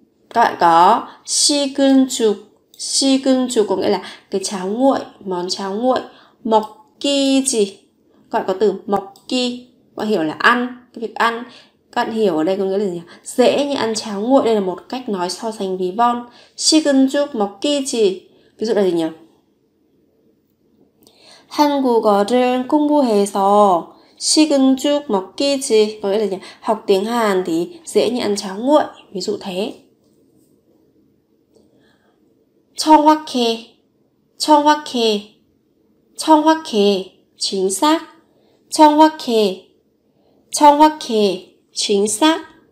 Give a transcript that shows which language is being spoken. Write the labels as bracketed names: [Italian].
[Vietnamese] Các bạn có [Korean] 식은 죽. [Vietnamese] 식은 죽 có nghĩa là cái cháo nguội, món cháo nguội. [Korean] 먹기지. [Vietnamese] Các bạn có từ 먹기. Các bạn hiểu là ăn, cái việc ăn. Các bạn hiểu ở đây có nghĩa là gì? Dễ như ăn cháo nguội. Đây là một cách nói so sánh ví von. [Korean] 식은 죽 먹기지. [Vietnamese] Ví dụ là gì nhỉ? [Korean] 한국어를 공부해서 식은 죽 먹기지. [Vietnamese] Có nghĩa là gì? Học tiếng Hàn thì dễ như ăn cháo nguội. Ví dụ thế. [Korean] 정확해. 정확해. 정확해. [Vietnamese] Chính xác. [Korean] 정확해. 정확해. [Vietnamese] Chính xác.